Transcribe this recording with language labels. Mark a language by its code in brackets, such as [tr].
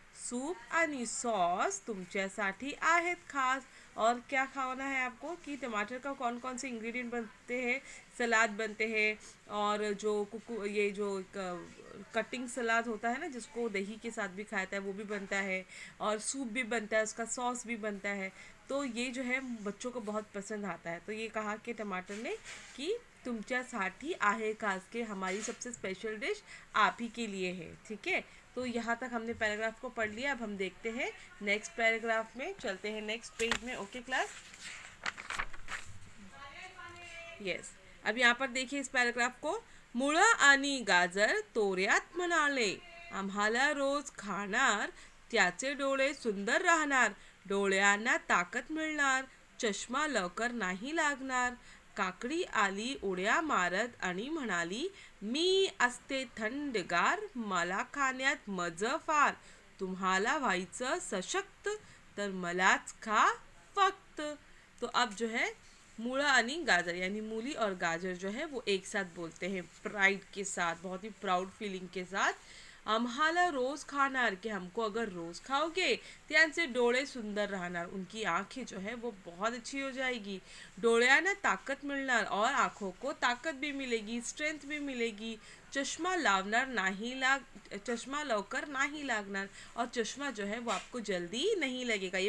[mr] Soup आनी sauce तुमच्या साठी आहेत खास, [hi] और क्या खाना है आपको कि टमाटर का कौन कौन से इंग्रेडिएंट बनते हैं, सलाद बनते हैं, और जो कुकू ये जो कटिंग सलाद होता है ना, जिसको दही के साथ भी खाया जाता है वो भी बनता है, और सूप भी बनता है, उसका सॉस भी बनता है, तो ये जो है बच्चों को बहुत पसंद आता है। तो ये कहा कि टमाटर ने कि [mr] तुमच्या साठी आहे खास [hi] के हमारी सबसे स्पेशल डिश आप ही के लिए है। ठीक है, तो यहाँ तक हमने पैराग्राफ को पढ़ लिया, अब हम देखते हैं नेक्स्ट पैराग्राफ में, चलते हैं नेक्स्ट पेज में। Okay class, yes. अब यहाँ पर देखिए इस पैराग्राफ को, [mr] मुळा आणि गाजर तोऱ्यात म्हणाले, आम्हाला रोज खाणार त्याचे डोळे सुंदर राहणार, डोळ्यांना ताकत मिळणार, चष्मा लवकर नाही लागणार। काकडी आली उड्या मारत आणि म्हणाली, मी असते थंडगार, मला खाण्यात मजा फार, तुम्हाला व्हायचं सशक्त तर मलाच खा फक्त। [hi] तो अब जो है [mr] मूळा आणि गाजर, [hi] यानी मूली और गाजर जो है वो एक साथ बोलते हैं प्राइड के साथ, बहुत ही प्राउड फीलिंग के साथ। [mr] आम्हाला रोज खाणार [hi] के हमको अगर रोज खाओगे, [mr] त्यांचे डोळे सुंदर राहणार, [hi] उनकी आंखें जो है वो बहुत अच्छी हो जाएगी, [mr] डोळ्यांना ताकत मिळणार [hi] और आंखों को ताकत भी मिलेगी, स्ट्रेंथ भी मिलेगी, [mr] चश्मा लावणार नाही लाग चश्मा लवकर नाही लागणार, [hi] और चश्मा जो है वो आपको जल्दी नहीं लगेगा।